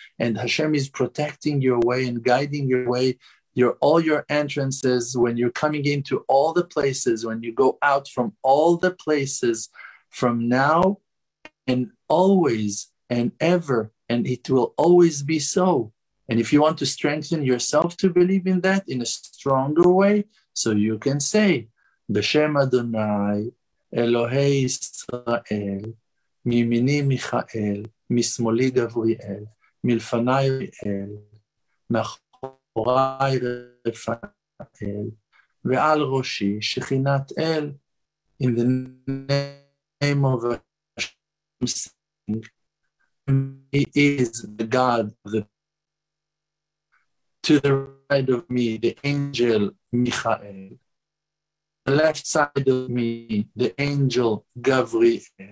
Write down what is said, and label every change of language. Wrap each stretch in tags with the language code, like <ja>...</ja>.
<en>And Hashem is protecting your way and guiding your way, all your entrances, when you're coming into all the places, when you go out from all the places, from now and always and ever, and it will always be so. And if you want to strengthen yourself to believe in that in a stronger way, so you can say,</en> <he>B'shem Adonai Elohei Yisrael, מימיני מיכאל, משמאלי גבריאל, מלפני אל, מאחורי רפאל, ועל ראשי שכינת אל.</he> <en>In the name of Hashem, sing, he is the God. To the right of me, the angel Michael, left side of me, the angel Gabriel.</en>